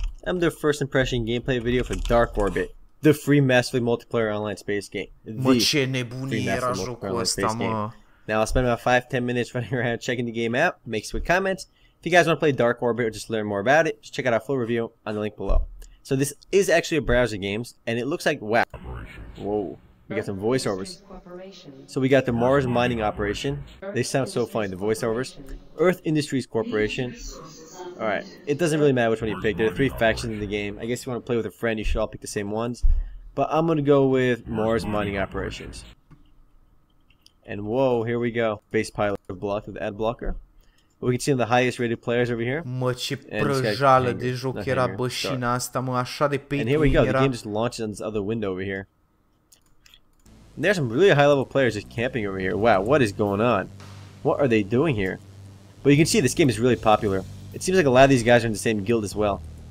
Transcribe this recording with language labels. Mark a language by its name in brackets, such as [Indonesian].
[English] I'm the first impression gameplay video for Dark Orbit, the free massively multiplayer online space game. [Romanian] Mă, ce nebunie era jocul ăsta, mă. [English] Now I'll spend about 5-10 minutes running around checking the game out, make some comments. If you guys want to play Dark Orbit or just learn more about it, just check out our full review on the link below. So this is actually a browser games, and it looks like, wow. Whoa. We got some voiceovers. So we got the Mars Mining Operation. They sound so funny, the voiceovers. Earth Industries Corporation. Alright, it doesn't really matter which one you pick. There are three factions in the game. I guess if you want to play with a friend, you should all pick the same ones. But I'm going to go with Mars Mining Operations. And whoa, here we go. Base pilot blocked with ad blocker. We can see the highest rated players over here. [Romanian] Mă, ce prăjală de joc era bășina asta, mă, așa de pe. [English] And here we go, the game just launches on this other window over here. And there's some really high level players just camping over here. Wow, what is going on? What are they doing here? But you can see this game is really popular. It seems like a lot of these guys are in the same guild as well.